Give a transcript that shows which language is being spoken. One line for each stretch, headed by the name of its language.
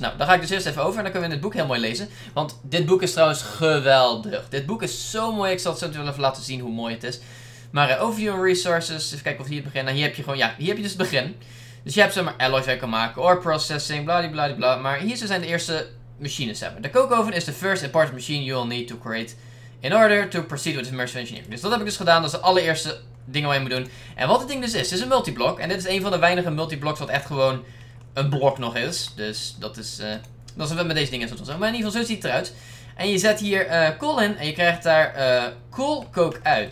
Dutch: Nou, daar ga ik dus eerst even over en dan kunnen we in dit boek heel mooi lezen. Want dit boek is trouwens geweldig. Dit boek is zo mooi. Ik zal het zo natuurlijk wel even laten zien hoe mooi het is. Maar overview en resources. Even kijken of hier het begin. Nou, hier heb je gewoon, ja, hier heb je dus het begin. Dus je hebt zomaar alloys waar je kan maken. Ore processing, bladibladibla. Maar hier zijn de eerste machines. De kookoven
English: is the first important machine you will need to create in order to proceed with immersive engineering.
Dutch: Dus dat heb ik dus gedaan. Dat is de allereerste dingen waar je moet doen. En wat het ding dus is, het is een multiblok. En dit is een van de weinige multiblocks wat echt gewoon een blok nog is. Dus dat is wat we met deze dingen zo. Maar in ieder geval zo ziet het eruit. En je zet hier kool in. En je krijgt daar kool coke uit.